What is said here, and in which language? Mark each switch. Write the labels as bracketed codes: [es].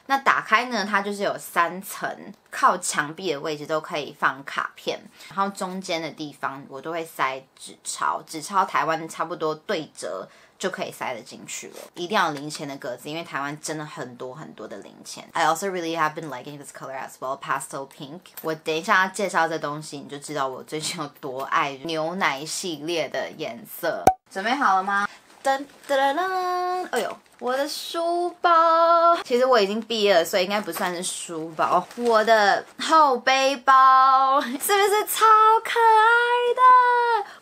[zh] 那打开呢，它就是有三层靠墙壁的位置都可以放卡片，然后中间的地方我都会塞纸钞，纸钞台湾差不多对折就可以塞得进去了。一定要零钱的格子，因为台湾真的很多很多的零钱。 [en] I also really have been liking this color as well, pastel pink. [zh] 我等一下要介绍这东西，你就知道我最近有多爱牛奶系列的颜色。准备好了吗？噔噔噔噔，哎呦，我的书包。其实我已经毕业了，所以应该不算是书包。我的后背包是不是超可爱的？